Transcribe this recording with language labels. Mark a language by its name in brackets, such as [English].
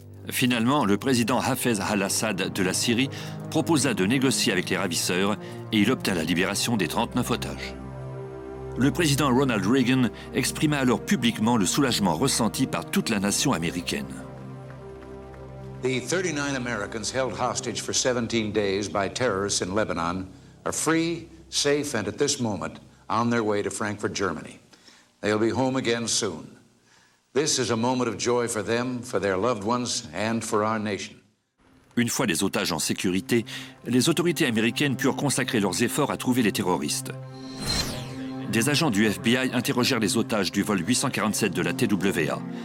[French] Finalement, le président Hafez al-Assad de la Syrie proposa de négocier avec les ravisseurs et il obtint la libération des 39 otages. Le président Ronald Reagan exprima alors publiquement le soulagement ressenti par toute la nation américaine. [English] The 39 Americans held hostage for 17 days by terrorists in Lebanon are free, safe and at this moment on their way to Frankfurt, Germany. They'll be home again soon. This is a moment of joy for them, for their loved ones and for our nation. [French] Une fois les otages en sécurité, les autorités américaines purent consacrer leurs efforts à trouver les terroristes. Des agents du FBI interrogèrent les otages du vol 847 de la TWA.